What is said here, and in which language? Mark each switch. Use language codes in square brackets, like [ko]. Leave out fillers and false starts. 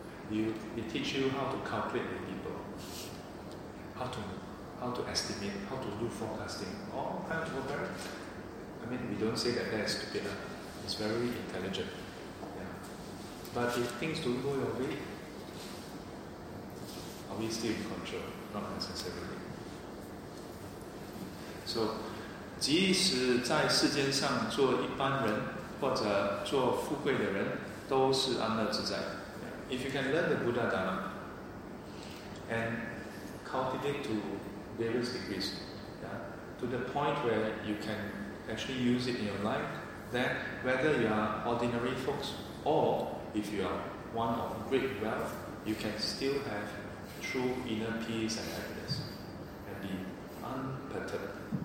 [en] Yeah. It teaches you how to calculate with people, how to estimate, how to do forecasting, all kinds of work. I mean, we don't say that that is stupid. It's very intelligent. But if things don't go your way, are we still in control? Not necessarily. [zh] So, 即使在世间上做一般人或者做富贵的人, 都是安乐自在. [en] If you can learn the Buddha Dhamma and cultivate to various degrees, to the point where you can actually use it in your life, then whether you are ordinary folks or if you are one of great wealth, you can still have true inner peace and happiness and be unperturbed.